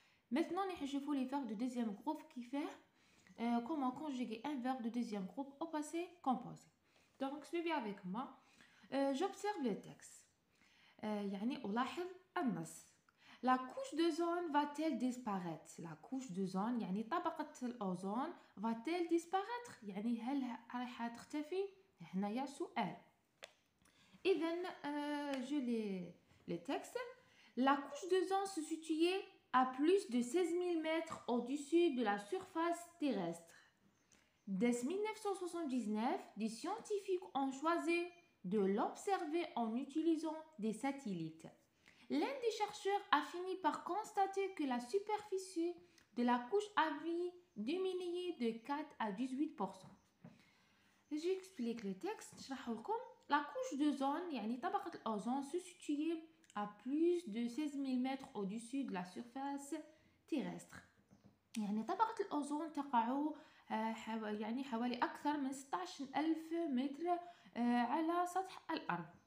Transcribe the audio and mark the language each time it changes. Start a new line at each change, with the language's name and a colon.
French: Maintenant on va voir les verbes de deuxième groupe qui fait comment conjuguer un verbe de deuxième groupe au passé composé. Donc suivez avec moi. J'observe le texte.
Arabic: يعني ألاحظ النص.
French: La couche d'ozone va-t-elle disparaître? La couche d'ozone,
Arabic: يعني طبقة الأوزون,
French: va-t-elle disparaître?
Arabic: يعني هل راح تختفي؟ هنا يا سؤال.
French: إذن, je lis le texte. La couche d'ozone se situait à plus de 16 000 mètres au-dessus de la surface terrestre. Dès 1979, des scientifiques ont choisi de l'observer en utilisant des satellites. L'un des chercheurs a fini par constater que la superficie de la couche avait diminué de 4 à 18%. J'explique le texte. La couche d'ozone,
Arabic: يعني طبقة الأوزون,
French: se situait à plus de 16 000 mètres au-dessus de la surface terrestre.
Arabic: يعني طبقة الأوزون تقع يعني حوالي أكثر من
French: 16 000 mètres
Arabic: على سطح الأرض.